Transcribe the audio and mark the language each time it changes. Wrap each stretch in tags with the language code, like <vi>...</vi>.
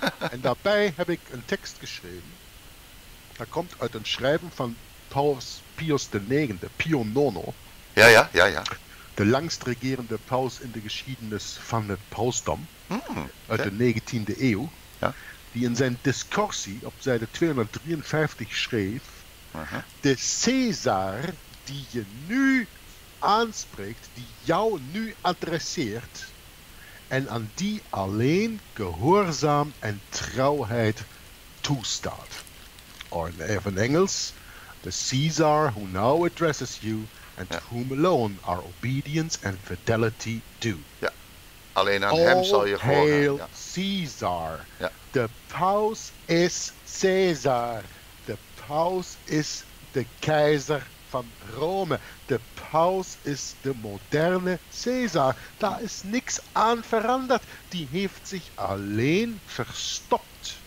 <nl>En daarbij heb ik een tekst geschreven. Dat komt uit een schrijven van Paus Pius IX, Pio Nono. Ja. De langst regerende paus in de geschiedenis van het pausdom. Uit de 19e eeuw. Ja. Die in zijn discursie op zijde 253 schreef. De Caesar die je nu aanspreekt, die jou nu adresseert. En aan die alleen gehoorzaam en trouwheid toestaat. Or in Engels,</nl> <en>the Caesar who now addresses you and to whom alone are obedience and fidelity due.</en> <nl>Ja, alleen aan hem zal je gehoor hebben.</nl> <en>All hail Caesar.</en> <nl>Ja. The paus is Caesar. The paus is de keizer van Rome. De paus is de moderne Caesar. Daar is niks aan veranderd. Die heeft zich alleen verstopt.</nl>